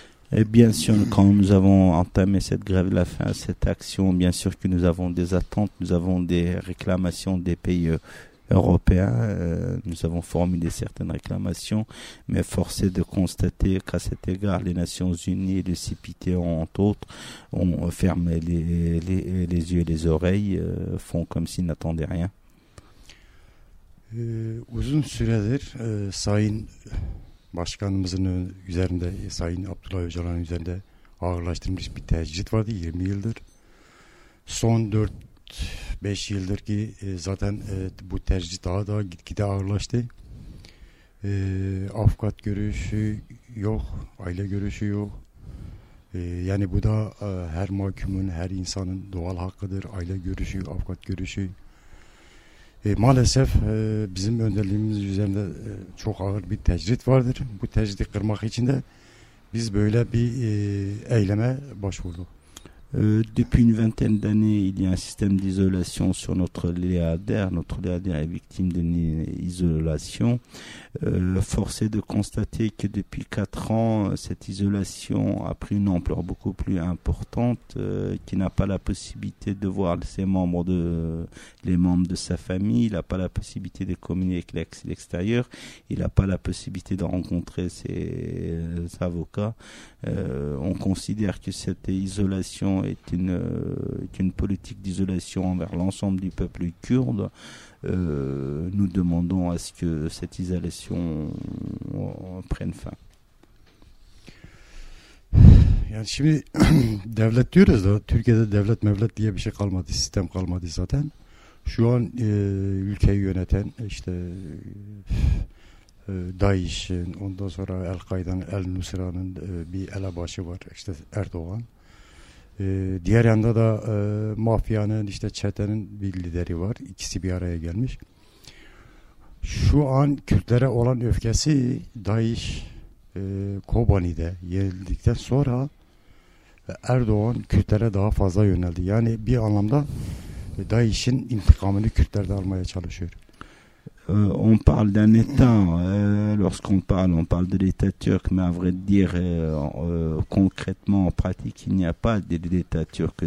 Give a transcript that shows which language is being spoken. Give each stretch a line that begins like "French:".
French: Bien sûr, quand nous avons entamé cette grève, la fin, cette action, bien sûr que nous avons des attentes, nous avons des réclamations des pays européens, nous avons formulé certaines réclamations, mais force est de constater qu'à cet égard, les Nations Unies et le CPT, entre autres, ont fermé les yeux et les oreilles, font comme s'ils n'attendaient rien.
Turkish: Uzun süredir Sayın Başkanımızın üzerinde, Sayın Abdullah Öcalan'ın üzerinde ağırlaştırılmış bir tecrit vardı 20 yıldır. Son 4-5 yıldır ki zaten bu tercih daha da gitgide ağırlaştı. Avukat görüşü yok, aile görüşü yok. Yani bu da her mahkumun, her insanın doğal hakkıdır. Aile görüşü, avukat görüşü. Maalesef bizim önderliğimiz üzerinde çok ağır bir tecrit vardır. Bu tecridi kırmak için de biz böyle bir eyleme başvurduk.
French: Depuis une vingtaine d'années, il y a un système d'isolation sur notre Léadère. Notre Léadère est victime d'une isolation. Force est de constater que depuis 4 ans, cette isolation a pris une ampleur beaucoup plus importante, qui n'a pas la possibilité de voir ses membres les membres de sa famille. Il n'a pas la possibilité de communiquer avec l'extérieur. Il n'a pas la possibilité de rencontrer ses avocats. On considère que cette isolation est une politique d'isolation envers l'ensemble du peuple kurde. Nous demandons à ce que cette isolation prenne fin.
Turkish: Yani şimdi devlet diyoruz da Türkiye'de devlet mevlet diye bir şey kalmadı, sistem kalmadı zaten. Şu an ülkeyi yöneten işte DAEŞ'in, ondan sonra El-Kaide'nin, El-Nusra'nın bir elebaşı var, işte Erdoğan. Diğer yanda da mafyanın, işte çetenin bir lideri var. İkisi bir araya gelmiş. Şu an Kürtlere olan öfkesi DAEŞ Kobani'de yenildikten sonra Erdoğan Kürtlere daha fazla yöneldi. Yani bir anlamda DAEŞ'in intikamını Kürtlerde almaya çalışıyor.
French: On parle d'un état, lorsqu'on parle, on parle de l'état turc, mais à vrai dire, concrètement, en pratique, il n'y a pas d'état turc.